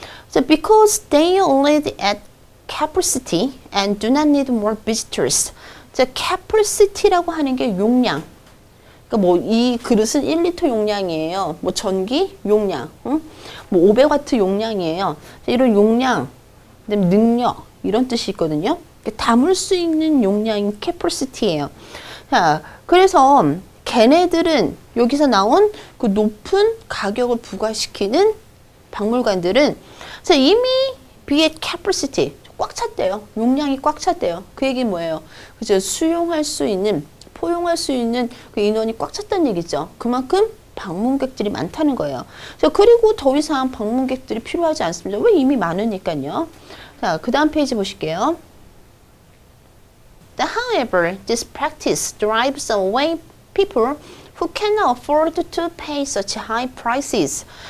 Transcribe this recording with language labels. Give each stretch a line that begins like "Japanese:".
English: So because they already at capacity and do not need more visitors.
Korean: 자, capacity라고 하는 게 용량. 그러니까 뭐 이 그릇은 1리터 용량이에요. 뭐 전기 용량, 응? 뭐 500와트 용량이에요. 이런 용량, 그다음 능력 이런 뜻이 있거든요. 그러니까 담을 수 있는 용량인 capacity예요. 자, 그래서 걔네들은 여기서 나온 그 높은 가격을 부과시키는 박물관들은 자, 이미 be at capacity. 꽉 찼대요. 용량이 꽉 찼대요. 그 얘기는 뭐예요? 그죠? 수용할 수 있는, 포용할 수 있는 그 인원이 꽉 찼다는 얘기죠. 그만큼 방문객들이 많다는 거예요. 자, 그리고 더 이상 방문객들이 필요하지 않습니다. 왜 이미 많으니까요. 자, 그 다음 페이지 보실게요.
English: However, this practice drives away people who cannot afford to pay such high prices.